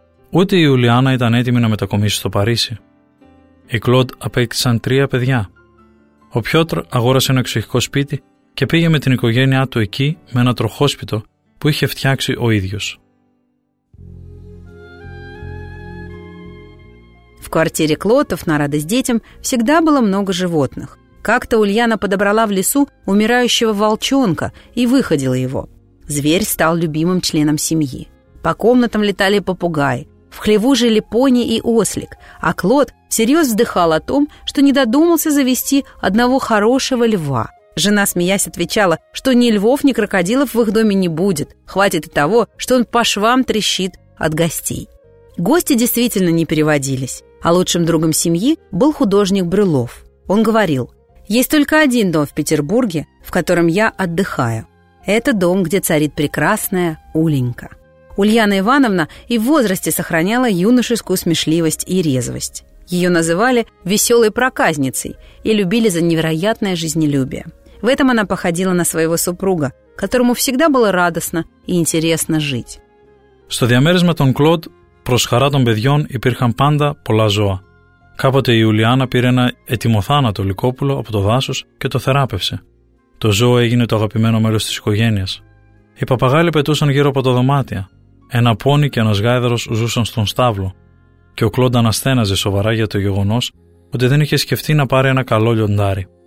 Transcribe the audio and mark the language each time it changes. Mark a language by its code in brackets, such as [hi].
[el] Ούτε η Ουλιάνα ήταν έτοιμη να μετακομίσει στο Παρίσι. Οι Κλοντ απέκτησαν 3 παιδιά. Ο Πιότρ αγόρασε ένα εξοχικό σπίτι και πήγε με την οικογένειά του εκεί με ένα τροχόσπιτο που είχε φτιάξει ο ίδιος. [ru] В квартире Клоттов на радость детям всегда было много животных. Как-то Ульяна подобрала в лесу умирающего волчонка и выходила его. Зверь стал любимым членом семьи. По комнатам летали попугаи, в хлеву жили пони и ослик, а Клод всерьез вздыхал о том, что не додумался завести одного хорошего льва. Жена, смеясь, отвечала, что ни львов, ни крокодилов в их доме не будет, хватит и того, что он по швам трещит от гостей. Гости действительно не переводились, а лучшим другом семьи был художник Брюлов. Он говорил: «Есть только один дом в Петербурге, в котором я отдыхаю. Это дом, где царит прекрасная Уленька. Ульяна Ивановна и в возрасте сохраняла юношескую смешливость и резвость. Ее называли «веселой проказницей» и любили за невероятное жизнелюбие. В этом она походила на своего супруга, которому всегда было радостно и интересно жить. [el] Στο διαμέρισμα των Κλοντ, προς χαρά των παιδιών, υπήρχαν πάντα πολλά ζώα. Κάποτε η Ιουλιάνα πήρε ένα ετοιμοθάνατο λυκόπουλο από το δάσος και το θεράπευσε. Το ζώο έγινε το αγαπημένο μέρος της οικογένειας. Οι παπαγάλοι πετούσαν γύρω από τα δωμάτια. Ένα πόνι και ένας γάιδαρος ζούσαν στον στάβλο. Και ο Κλοντ αναστέναζε σοβαρά για το γεγονός ότι δεν είχε σκεφτεί να πάρει ένα καλό λιοντάρι.